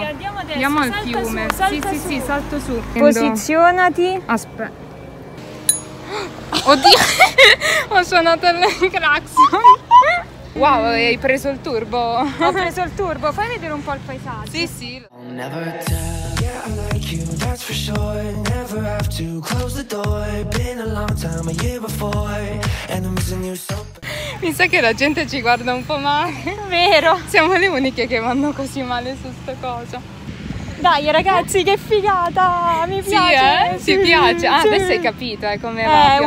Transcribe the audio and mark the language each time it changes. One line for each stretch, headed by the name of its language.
Italian: Sì, andiamo adesso. Andiamo salta al fiume. Su, salta sì, su. Sì, salto su. Posizionati. Aspetta. Oddio, ho suonato il clacson. Wow, hai preso il turbo. Ho preso il turbo, fai vedere un po' il paesaggio. Sì, sì.
English: Never tell. Yeah, I like you, that's for sure. Never have to close the door. Been a long time, a year before. And I'm missing you so.
Italian: Mi sa che la gente ci guarda un po' male. Vero. Siamo le uniche che vanno così male su sta cosa. Dai ragazzi, che figata! Mi sì, piace! Sì, ti piace? Ah, sì. Adesso hai capito come va più